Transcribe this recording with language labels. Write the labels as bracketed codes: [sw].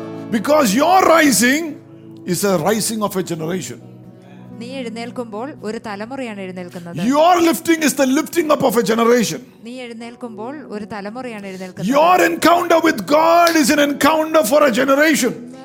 [en] Because your rising is a rising of a generation. [ml] നീ എഴുന്നേൽക്കുമ്പോൾ ഒരു തലമുറയാണ് എഴുന്നേൽക്കുന്നത്. [en] Your lifting is the lifting up of a generation. [ml] നീ എഴുന്നേൽക്കുമ്പോൾ ഒരു തലമുറയാണ് എഴുന്നേൽക്കുന്നത്. [en] Your encounter with God is an encounter for a generation.